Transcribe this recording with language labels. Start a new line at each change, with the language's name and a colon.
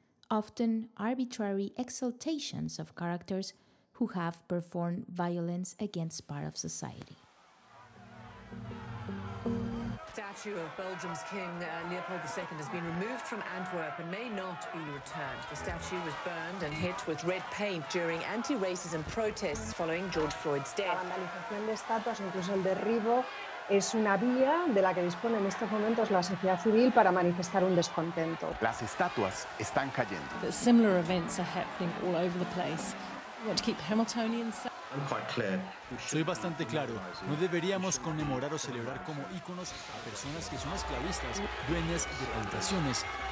English: Often arbitrary exaltations of characters who have performed violence against part of society. Statue of Belgium's King Leopold II has been removed from Antwerp and may not be returned. The statue was burned and hit with red paint during anti-racism protests following George Floyd's death.
Spanish: La vandalización de estatuas, incluso el derribo, es una vía de la que dispone en estos momentos la sociedad civil para manifestar un descontento. Las estatuas están cayendo.
English: But similar events are happening all over the place. You want to keep Hamiltonians safe?
Spanish: Soy bastante claro, no deberíamos conmemorar o celebrar como íconos a personas que son esclavistas, dueñas de plantaciones.